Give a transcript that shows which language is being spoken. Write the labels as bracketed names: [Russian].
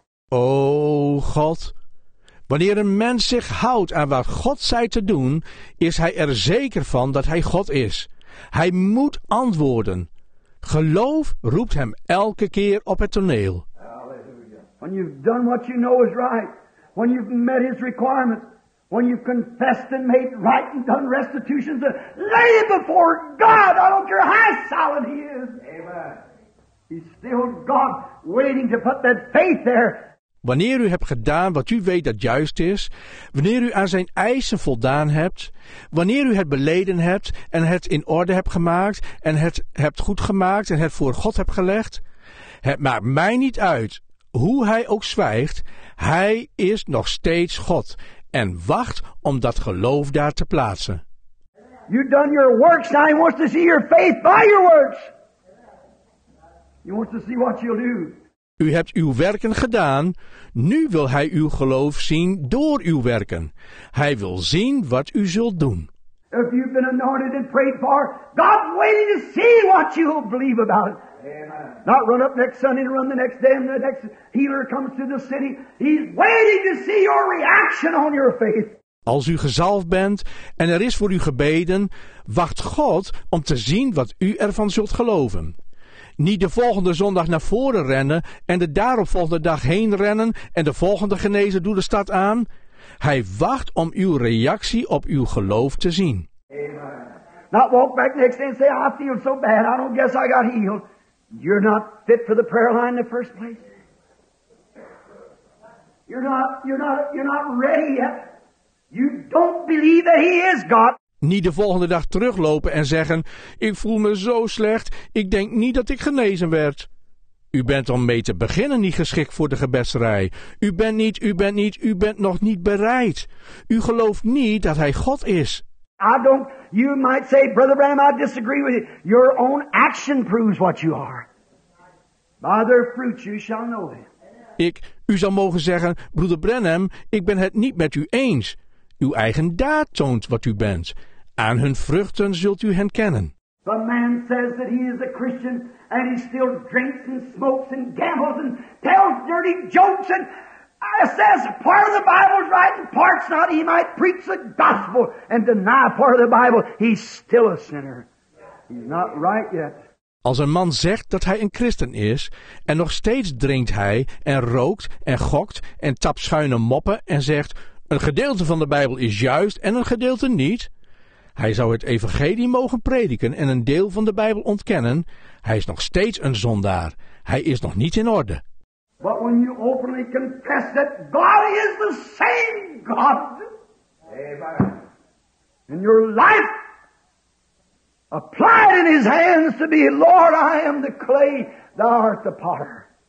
[Dutch] O God, wanneer een mens zich houdt aan wat God zei te doen, is hij er zeker van dat hij God is. Hij moet antwoorden. Geloof roept hem elke keer op het toneel. [English] Hallelujah. When you've done what you know is right, when you've met his requirements, when you've confessed and made right and done restitutions, lay it before God. I don't care how solid he is. Amen. He's still God waiting to put that faith there. [Dutch] Wanneer u hebt gedaan wat u weet dat juist is, wanneer u aan zijn eisen voldaan hebt, wanneer u het beleden hebt en het in orde hebt gemaakt en het hebt goed gemaakt en het voor God hebt gelegd, het maakt mij niet uit hoe hij ook zwijgt, hij is nog steeds God en wacht om dat geloof daar te plaatsen. [English] You've done your works, now he wants to see your faith by your works. He wants to see what you'll do. [Dutch] U hebt uw werken gedaan, nu wil hij uw geloof zien door uw werken. Hij wil zien wat u zult doen. [English] If you've been anointed and prayed for, God's waiting to see what you'll believe about it. Amen. Not run up next Sunday and run the next day and the next healer comes to the city. He's waiting to see your reaction on your faith. [Dutch] Als u gezalfd bent en er is voor u gebeden, wacht God om te zien wat u ervan zult geloven. Niet de volgende zondag naar voren rennen en de daaropvolgende dag heen rennen en de volgende genezen doet de stad aan. Hij wacht om uw reactie op uw geloof te zien. [English] Amen. Not walk back next day and say, I feel so bad, I don't guess I got healed. You're not fit for the prayer line in the first place. You're not ready yet. You don't believe that he is God. [Dutch] Niet de volgende dag teruglopen en zeggen, ik voel me zo slecht, ik denk niet dat ik genezen werd. U bent om mee te beginnen niet geschikt voor de gebedsrij. U bent nog niet bereid. U gelooft niet dat hij God is. [English] You might say, Brother Branham, I disagree with you. Your own action proves what you are. By their fruits you shall know them. [Dutch] U zou mogen zeggen, Broeder Branham, ik ben het niet met u eens. Uw eigen daad toont wat u bent. Aan hun vruchten zult u hen kennen. [English] The man says that he is a Christian and he still drinks and smokes and gambles and tells dirty jokes and says part of the Bible's right and part's not. He might preach the gospel and deny part of the Bible. He's still a sinner. He's not right yet. [Dutch] Als een man zegt dat hij een christen is en nog steeds drinkt hij en rookt en gokt en tapt schuine moppen en zegt, een gedeelte van de Bijbel is juist en een gedeelte niet. Hij zou het evangelie mogen prediken en een deel van de Bijbel ontkennen. Hij is nog steeds een zondaar. Hij is nog niet in orde. [English] But when you openly confess that God is the same God, amen, and your life applied in his hands to be, Lord, I am the clay, thou art the potter,